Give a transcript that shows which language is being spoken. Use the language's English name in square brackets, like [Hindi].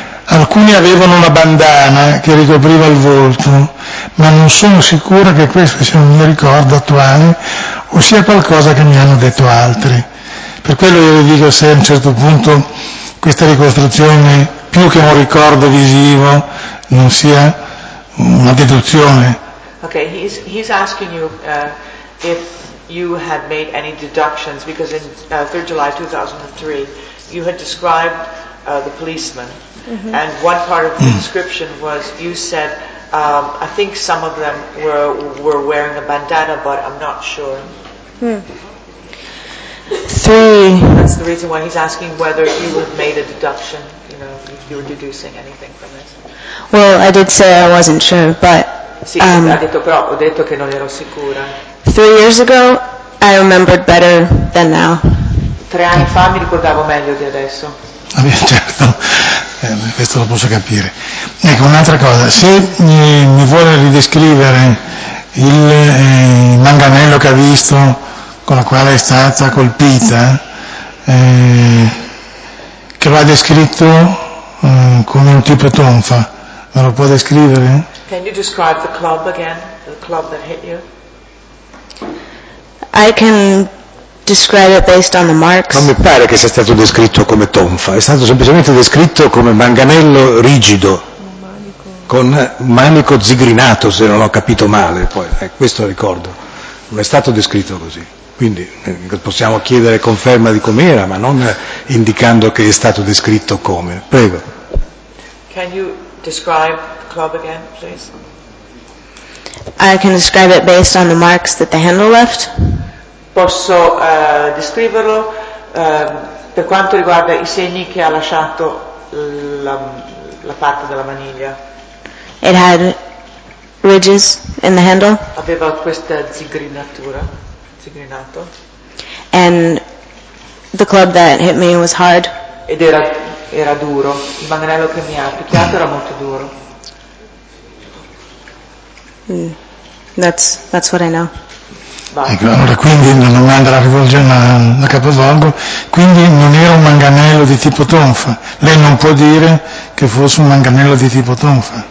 [Italian] Alcuni avevano una bandana che ricopriva il volto, ma non sono sicura che questo sia un mio ricordo attuale o sia qualcosa che mi hanno detto altri. Per quello io le dico se a un certo punto questa ricostruzione, più che un ricordo visivo, non sia una deduzione. [English] Ok, he's asking you if you had made any deductions, because in 3 July 2003 you had described the policeman. Mm-hmm. And one part of the description was you said I think some of them were wearing a bandana, but I'm not sure. That's the reason why he's asking whether you would have made a deduction, you know, if you were deducing anything from this. Well, I did say I wasn't sure, but [Italian] sì, ho detto che non ero sicura. [English] 3 years ago, I remembered better than now. [Italian] 3 anni fa mi ricordavo meglio di adesso. Certo. Questo lo posso capire. Ecco, un'altra cosa, se mi vuole ridescrivere il manganello che ha visto, con la quale è stata colpita, che l'ha descritto come un tipo tonfa, me lo può descrivere? [English] Can you describe the club again, the club that hit you? I can describe it based on the marks. [Italian] Non mi pare che sia stato descritto come tonfa, è stato semplicemente descritto come manganello rigido, con manico zigrinato, se non ho capito male, poi questo ricordo, non è stato descritto così, quindi possiamo chiedere conferma di com'era, ma non indicando che è stato descritto come. Prego. [English] Can you describe the club again, please? I can describe it based on the marks that the handle left. [Italian] Posso descriverlo per quanto riguarda i segni che ha lasciato la parte della maniglia. [English] It had ridges in the handle. [Italian] Aveva questa zigrinatura, zigrinato. [English] And the club that hit me was hard. [Italian] Ed era duro. Il manganello che mi ha picchiato era molto duro. [English] That's what I know. [Italian] Ecco, allora quindi la domanda la rivolge a capovolgo, quindi non era un manganello di tipo tonfa, lei non può dire che fosse un manganello di tipo tonfa.